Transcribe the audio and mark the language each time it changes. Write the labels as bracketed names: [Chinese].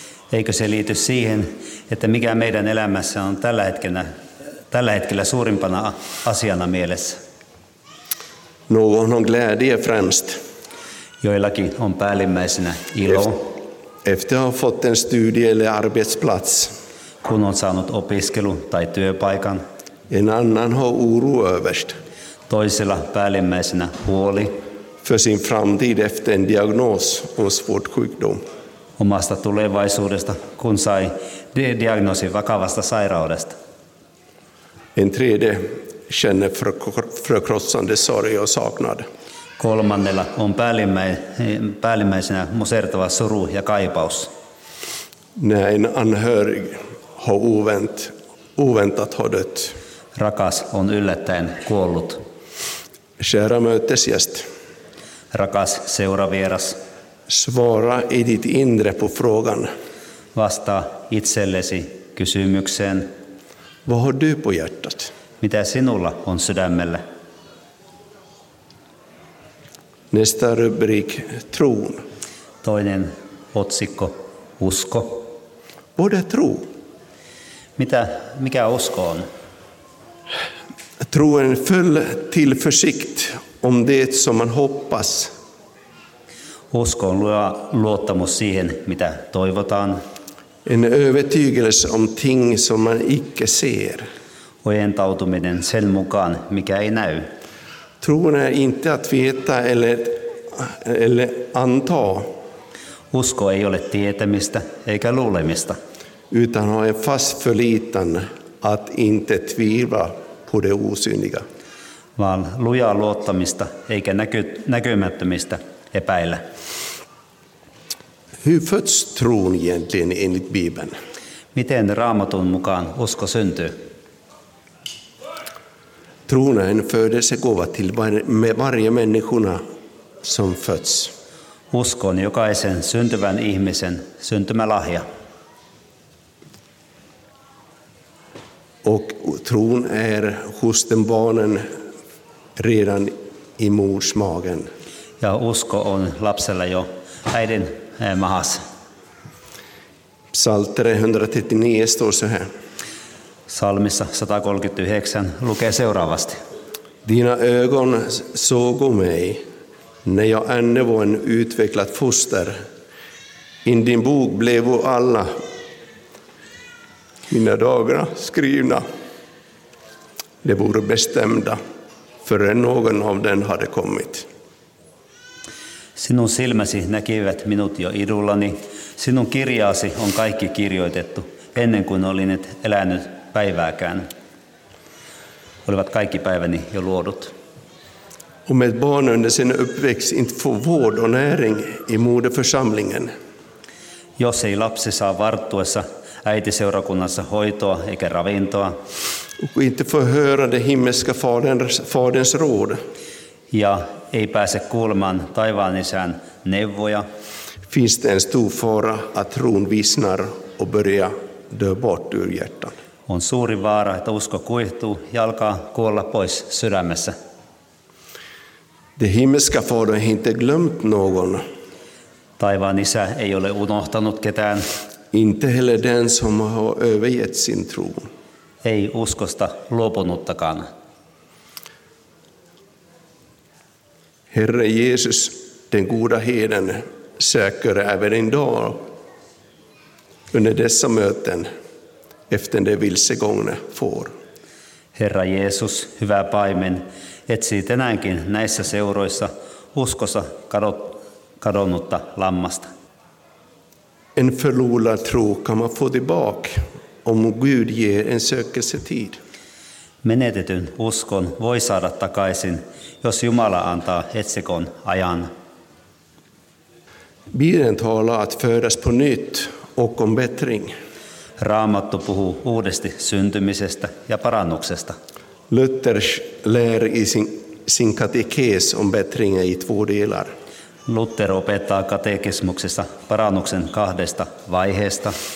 [Finnish] Eikö se liity siihen, että mikä meidän elämässä on tällä hetkellä suurimpana asiana mielessä? [Swedish] Någon har glädje främst. [Finnish] Joillakin on päällimmäisenä ilo. [Swedish] Efter att ha fått en studie eller arbetsplats. [Finnish] Kun on saanut opiskelu tai työpaikan. [Swedish] En annan har oro överst. [Finnish] Toisella päällimmäisenä huoli. [Swedish] För sin framtid efter en diagnos om svårt sjukdom. [Finnish] Omasta tulevaisuudesta, kun sai diagnoosin vakavasta sairaudesta. [Swedish] En tredje känner förkrossande sorg och saknad. [Finnish] Kolmannella on päällimmäisenä musertava suru ja kaipaus. [Swedish] Näin anhörig har oväntat har dött. [Finnish] Rakas on yllättäen kuollut. [Swedish] Kära mötesgäst. [Finnish] Rakas seuravieras. [Swedish] Svara i ditt inre på frågan. [Finnish] Vastaa itsellesi kysymykseen. [Swedish] Vad har du på hjärtat? [Finnish] Mitä sinulla on sydämellä? [Swedish] Nästa rubrik, tron. [Finnish] Toinen otsikko, usko. [Swedish] Vad är tro? [Finnish] Mikä usko on? [Swedish] Tro är en full tillförsikt om det som man hoppas. [Finnish] Usko on luottamus siihen, mitä toivotaan. [Swedish] En övertygelse om ting som man icke ser. [Finnish] Ojentautuminen sen mukaan, mikä ei näy. [Swedish] Tron är inte att veta eller anta. [Finnish] Usko ei ole tietämistä eikä luulemista. [Swedish] Utan har en fast förlitan att inte tvivla på det osynliga. [Finnish] Vaan lujaa luottamista eikä näkymättömistä epäillä. [Swedish] Hur föds tron egentligen enligt Bibeln? [Finnish] Miten Raamatun mukaan usko syntyy? [Swedish] Tron är en födelsegåva till varje människorna som föds. [Finnish] Uskon jokaisen syntyvän ihmisen syntymälahja. [Swedish] Och tron är hos den barnen redan i mors magen. [Finnish] Ja usko on lapsella jo äidin mahassa. [Swedish] Psalm 139 står så här. [Finnish] Salmissa 139 lukee seuraavasti. [Swedish] Dina ögon såg mig när jag ännu var en utvecklat foster. In din bok blev alla mina dagar skrivna. Det vore bestämda förrän någon av den hade kommit. [Finnish] Sinun silmäsi näkivät minut jo idullani. Sinun kirjaasi on kaikki kirjoitettu ennen kuin olin elänyt päivääkään. Olivat kaikki päiväni jo luodut. [Swedish] Om ett barn under sin uppväxt inte får vård och näring i moderförsamlingen. [Finnish] Jos ei lapsi saa varttuessa äitiseurakunnassa hoitoa eikä ravintoa. [Swedish] Och inte får höra det himmelska faderns råd. [Finnish] Ja ei pääse kuulemaan taivaan isän neuvoja. [Swedish] Finns det en stor fara att tron vissnar och börjar dö bort ur hjärtan? [Finnish] On suuri vaara, että usko kuihtuu ja alkaa kuolla pois sydämessä. [Swedish] Det himmelska fadern har inte glömt någon. [Finnish] Taivaan isä ei ole unohtanut ketään. [Swedish] Inte heller den som har övergett sin tro. [Finnish] Ei uskosta luopunuttakaan. [Swedish] Herre Jesus, den goda herden, säker även en dag under dessa möten efter det vilsegångna får. [Finnish] Herra Jesus, hyvä paimen, etsii tänäänkin näissä seuroissa uskossa kadonnutta lammasta. [Swedish] En förlorad tro kan man få tillbaka om Gud ger en sökelsetid. [Finnish] Menetetyn uskon voi saada takaisin, jos Jumala antaa etsikon ajan. [Swedish] Bibeln talar att födas på nytt och om bättring. [Finnish] Raamattu puhuu uudesti syntymisestä ja parannuksesta. [Swedish] Luther lär i sin katekes om bättringen i två delar. [Finnish] Luther opettaa katekismuksessa parannuksen kahdesta vaiheesta.